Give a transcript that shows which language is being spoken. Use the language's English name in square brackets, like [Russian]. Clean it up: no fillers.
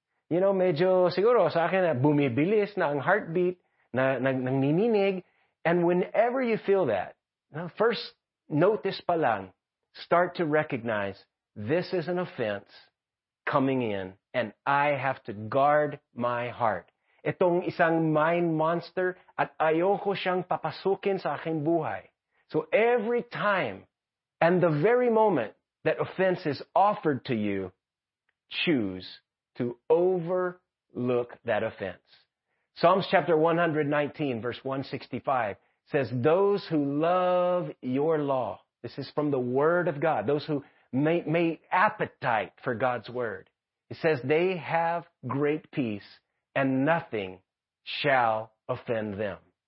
[English] You know, [Filipino] medyo siguro sa akin na bumibilis na ang heartbeat, na nagninig. [English] And whenever you feel that, first notice [Filipino] pa lang, [English] start to recognize this is an offense coming in and I have to guard my heart. [Filipino] Itong isang mind monster at ayoko siyang papasukin sa aking buhay. [English] So every time and the very moment that offense is offered to you, choose to overlook that offense. Psalms chapter 119, verse 165 says, those who love your law, this is from the word of God, those who may appetite for God's word, it says they have great peace and nothing shall offend them.